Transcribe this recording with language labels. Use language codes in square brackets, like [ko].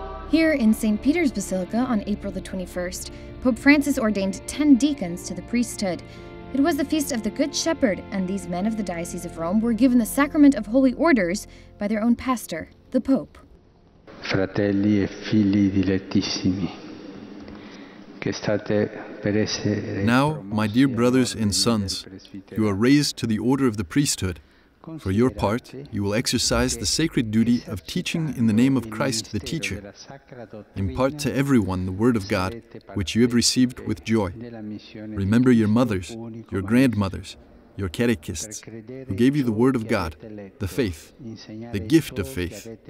[en] Here in St. Peter's Basilica on April the 21st, Pope Francis ordained 10 deacons to the priesthood. It was the Feast of the Good Shepherd, and these men of the Diocese of Rome were given the sacrament of holy orders by their own pastor, the Pope. [it] Fratelli e figli dilettissimi, che state per essere. [en] Now, my dear brothers and sons, you are raised to the order of the priesthood. For your part, you will exercise the sacred duty of teaching in the name of Christ the Teacher. Impart to everyone the Word of God, which you have received with joy. Remember your mothers, your grandmothers, your catechists, who gave you the Word of God, the faith, the gift of faith.